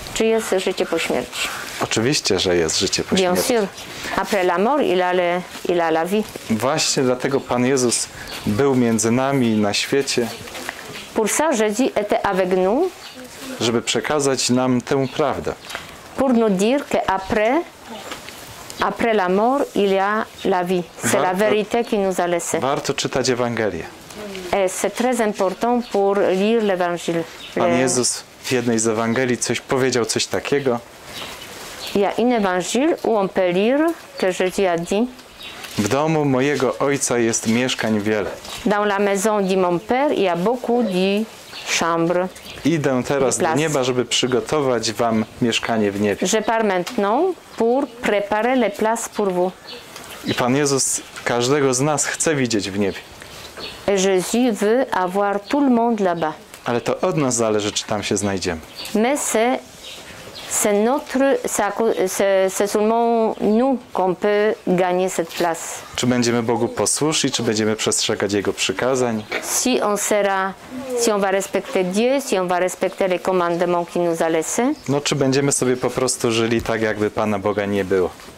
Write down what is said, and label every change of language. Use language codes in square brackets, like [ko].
[pl] Czy jest życie po śmierci? Oczywiście, że jest życie po śmierci. [fr] Bien sûr. Après la mort, il a la vie. [pl] Właśnie dlatego Pan Jezus był między nami na świecie. [fr] Pour ça, Jésus était avec nous. [pl] Żeby przekazać nam tę prawdę. [fr] Pour nous dire que après la mort, il y a la vie. C'est la vérité qui nous a laissé. [pl] Warto czytać Ewangelię. [fr] C'est très important pour lire l'évangile. [pl] Pan Jezus w jednej z Ewangelii coś powiedział, coś takiego. [fr] Il y a un évangile où on peut lire que Jésus a dit. [pl] W domu mojego ojca jest mieszkań wiele. [fr] Dans la maison de mon père, il y a beaucoup de chambres. [pl] Idę teraz do nieba, żeby przygotować wam mieszkanie w niebie. [fr] Je pars maintenant pour préparer les places pour vous. [pl] I Pan Jezus każdego z nas chce widzieć w niebie. [fr] Et Jésus veut avoir tout le monde là-bas. [pl] Ale to od nas zależy, czy tam się znajdziemy. [fr] Mais c'est seulement nous qu'on peut gagner cette place. [pl] Czy będziemy Bogu posłuszni, czy będziemy przestrzegać Jego przykazań? [fr] Si on sera, si on va respecter Dieu, si on va respecter les commandements qu'il nous a laissés. [pl] No, czy będziemy sobie po prostu żyli tak, jakby Pana Boga nie było?